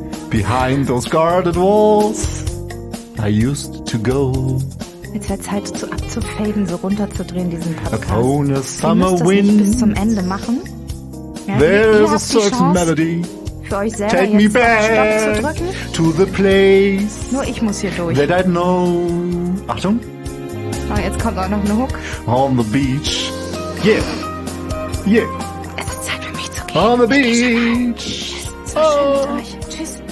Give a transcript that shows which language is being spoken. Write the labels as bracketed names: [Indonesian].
[English] Behind those guarded walls, I used to go. [German] Jetzt wäre Zeit, zu abzufaden, so runterzudrehen, diesen Podcast. [English] Upon a summer wind. [German] Ihr müsst das nicht bis zum Ende machen. [English] Ja, there's a certain melody. [German] Für euch selber. [English] Take me back to the place. [German] Nur ich muss hier durch. [English] That I'd know. Achtung. [German] Oh, jetzt kommt auch noch ein Hook. [English] On the beach. Yeah, yeah. [German] Es ist Zeit für mich zu gehen. [English] On the beach. [German] Tschüss. So schön mit euch. Tschüss.